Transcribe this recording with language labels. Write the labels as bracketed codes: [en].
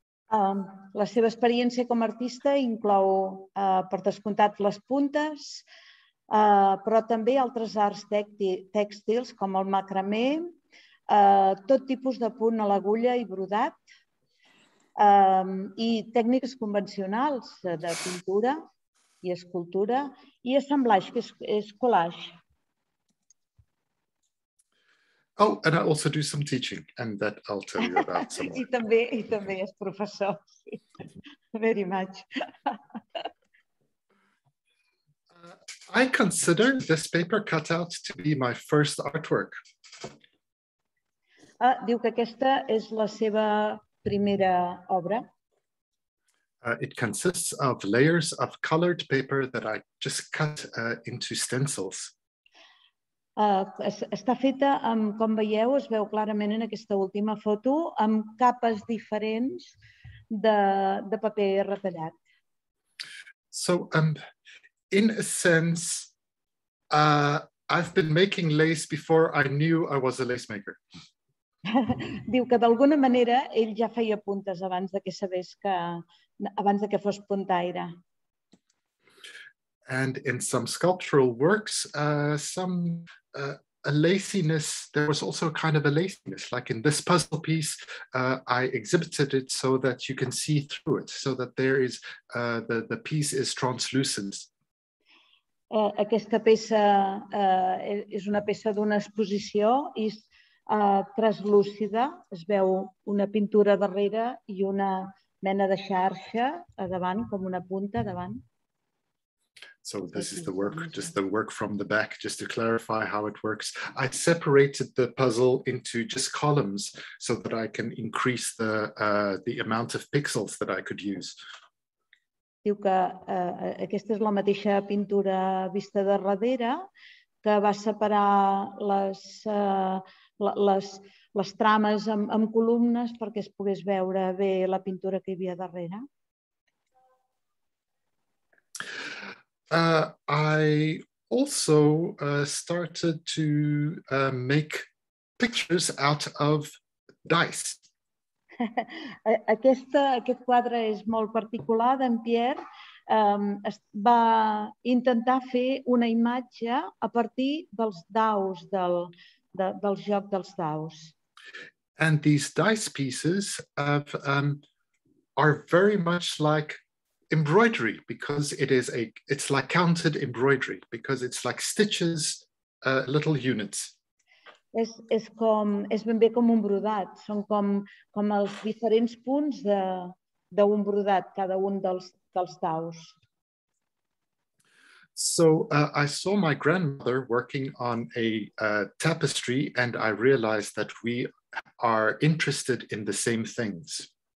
[ca] La seva experiència com a artista inclou, per descomptat, les puntes, però també altres arts tèxtils, com el macramé, tot tipus de punt a l'agulla i brodat, i tècniques convencionals de pintura i escultura, i assemblage, que és collage. [en] Oh, and I also do some teaching, and that I'll tell you about some. [ca] I també és professor. [en] Very much. I consider this paper cutout to be my first artwork. [ca] Diu que aquesta és la seva primera obra. [en] It consists of layers of colored paper that I just cut into stencils. [ca] Està feta amb, com veieu, es veu clarament en aquesta última foto, amb capes diferents de paper retallat. [en] So, in a sense, I've been making lace before I knew I was a lace maker. [ca] Diu que d'alguna manera ell ja feia puntes abans de que sabés que abans de que fos puntaire. [en] And in some sculptural works, a laciness, there was also kind of a laciness, like in this puzzle piece, I exhibited it so that you can see through it, so that there is, the piece is translucent. [ca] Aquesta peça és una peça d'una exposició i és translúcida, es veu una pintura darrere i una mena de xarxa a davant, com una punta davant. [en] So this is the work, just the work from the back, just to clarify how it works. I separated the puzzle into just columns so that I can increase the amount of pixels that I could use. [ca] Diu que aquesta és la mateixa pintura vista de darrere que va separar les trames amb columnes perquè es pogués veure bé la pintura que hi havia darrere. [en] I also started to make pictures out of dice. [ca] aquest quadre és molt particular d'en Pierre. Va intentar fer una imatge a partir dels daus, del joc dels daus. [en] And these dice pieces are very much like embroidery, because it's like counted embroidery, because it's like stitches, little units. [ca] És ben bé com un brodat. Són com els diferents punts d'un brodat, cada un dels daus. [en] So I saw my grandmother working on a tapestry, and I realized that we are interested in the same things.